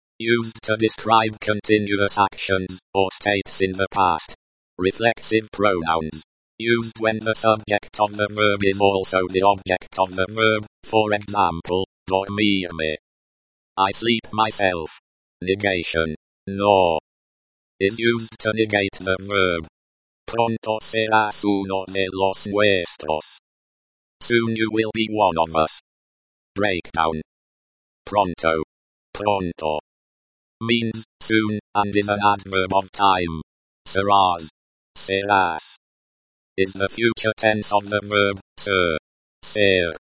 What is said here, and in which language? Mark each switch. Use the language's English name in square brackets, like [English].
[English] Used to describe continuous actions, or states in the past. Reflexive pronouns. used when the subject of the verb is also the object of the verb, for example, dormirme. I sleep myself. Negation, no, is used to negate the verb. [Spanish] Pronto serás uno de los nuestros. [English] Soon you will be one of us. Breakdown. Pronto. Pronto. Means soon, and is an adverb of time. Serás. Serás. Is the future tense of the verb ser. Ser.